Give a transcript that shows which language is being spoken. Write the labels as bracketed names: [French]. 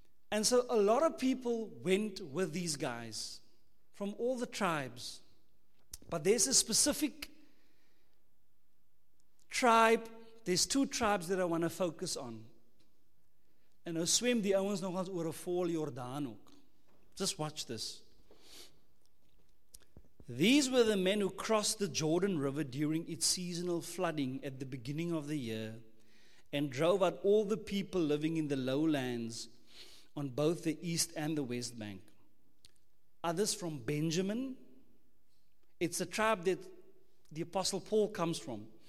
[English] And so a lot of people went with these guys from all the tribes. But there's a specific tribe, there's two tribes that I want to focus on. [Afrikaans] En nou swem die ouens nogals oor 'n vol Jordaan ook. [English] Just watch this. These were the men who crossed the Jordan River during its seasonal flooding at the beginning of the year and drove out all the people living in the lowlands on both the east and the west bank. Others from Benjamin. It's a tribe that the Apostle Paul comes from.